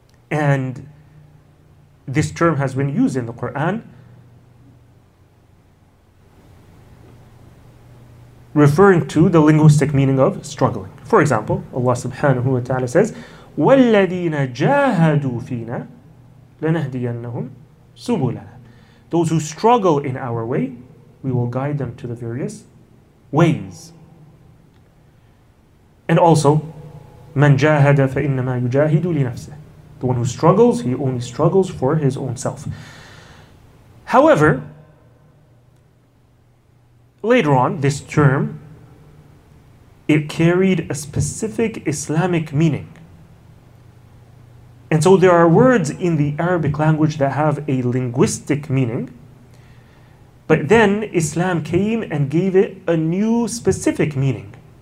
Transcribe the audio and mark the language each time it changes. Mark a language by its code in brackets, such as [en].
[en] And this term has been used in the Quran, referring to the linguistic meaning of struggling. For example, Allah subhanahu wa ta'ala says, [ar] وَالَّذِينَ جَاهَدُوا فِينَا لَنَهْدِيَنَّهُمْ سُبُلَنَا. [en] Those who struggle in our way, we will guide them to the various ways. And also, [ar] مَنْ جَاهَدَ فَإِنَّمَا يُجَاهِدُ لِنَفْسِهِ. [en] The one who struggles, he only struggles for his own self. However, later on, this term, it carried a specific Islamic meaning. And so there are words in the Arabic language that have a linguistic meaning, but then Islam came and gave it a new specific meaning.